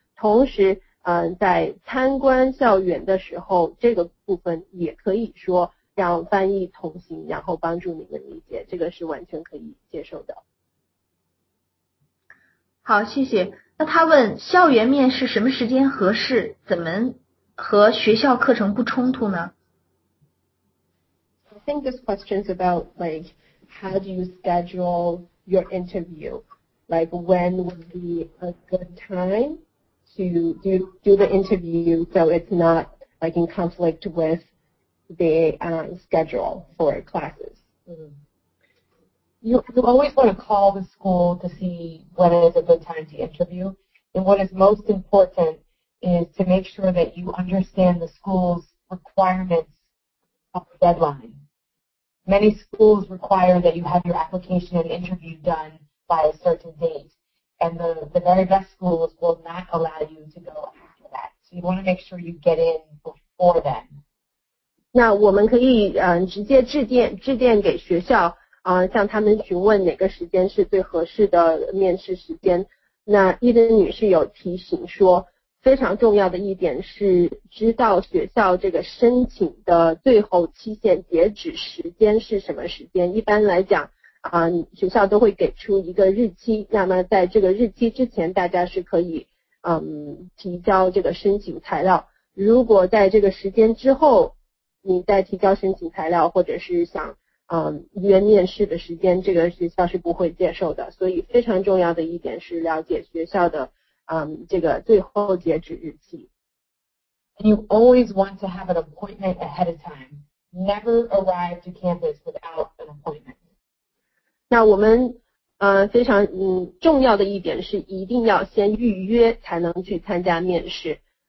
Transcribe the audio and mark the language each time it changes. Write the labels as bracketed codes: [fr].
[zh] 同时，在参观校园的时候，这个部分也可以说让翻译同行，然后帮助你们理解，这个是完全可以接受的。好，谢谢。那他问校园面试什么时间合适，怎么和学校课程不冲突呢？ [en] I think this question is about like how do you schedule your interview? Like when would be a good time to do the interview so it's not like in conflict with the schedule for classes. You always want to call the school to see when is a good time to interview. And what is most important is to make sure that you understand the school's requirements of the deadline. Many schools require that you have your application and interview done by a certain date. And the very best schools will not allow you to go after that. So you want to make sure you get in before then. [zh] 那我们可以直接致电给学校。向他们询问哪个时间是最合适的面试时间。那伊登女士有提醒说，非常重要的一点是知道学校这个申请的最后期限截止时间是什么时间。一般来讲学校都会给出一个日期，那么在这个日期之前大家是可以提交这个申请材料。如果在这个时间之后你再提交申请材料，或者是想约面试的时间，这个学校是不会接受的。所以非常重要的一点是了解学校的这个最后截止日期。 [en] And you always want to have an appointment ahead of time. Never arrive to campus without an appointment. [zh] 那我们非常重要的一点是一定要先预约才能去参加面试。